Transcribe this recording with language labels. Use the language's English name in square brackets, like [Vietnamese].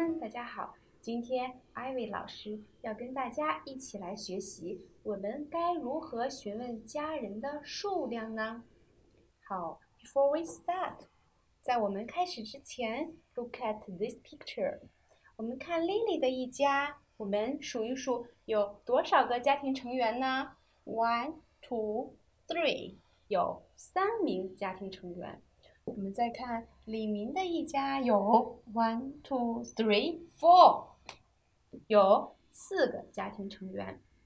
[Chinese] 家好，今天 Ivy 老师要跟大家一起来学习，我们该如何询问家人的数量呢？好 ， [English] Before we start， [Chinese] 在我们开始之前 ， [English] Look at this picture。 [Chinese] 我们看 Lily 的一家，我们数一数有多少个家庭成员呢 ？1, 2, 3， 有三名家庭成员。我们再看李明的一家，有 1, 2, 3, 4， 有四个家庭成员。